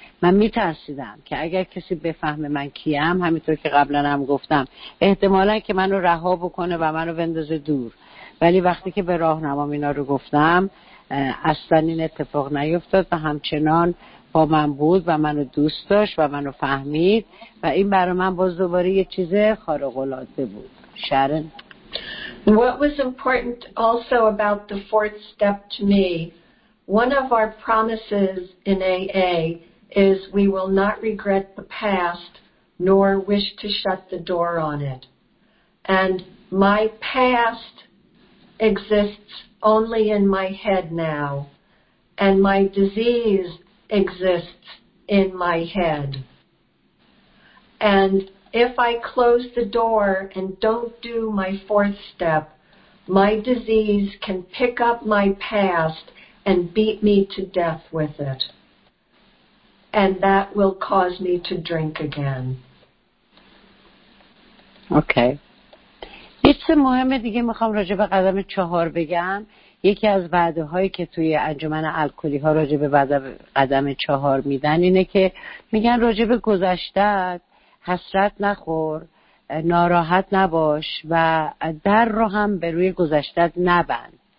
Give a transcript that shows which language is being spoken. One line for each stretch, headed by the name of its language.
Persian: من میترسیدم که اگر کسی بفهمه من کیم، همینطور که قبلا هم گفتم، احتمالا که منو رها بکنه و منو بندازه دور. ولی وقتی که به راهنمام اینا رو گفتم اصلا این اتفاق نیفتاد و همچنان با من بود و منو دوست داشت و منو فهمید و این برای من باز دوباره یه چیز خارق‌العاده بود. شرن،
English: what was important also about the fourth step to me, one of our promises in AA is we will not regret the past nor wish to shut the door on it. And my past exists only in my head now, and my disease exists in my head. And if I close the door and don't do my fourth step, my disease can pick up my past and beat me to death with it. And that will cause me to drink again. Okay.
Persian: یه مهم دیگه میخوام راجع به قدم چهار بگم. یکی از وعده هایی که توی انجمن الکلی ها راجع به قدم چهار میدن اینه که میگن راجع به گذشته حسرت نخور، ناراحت نباش و در رو هم به روی گذشتت نبند.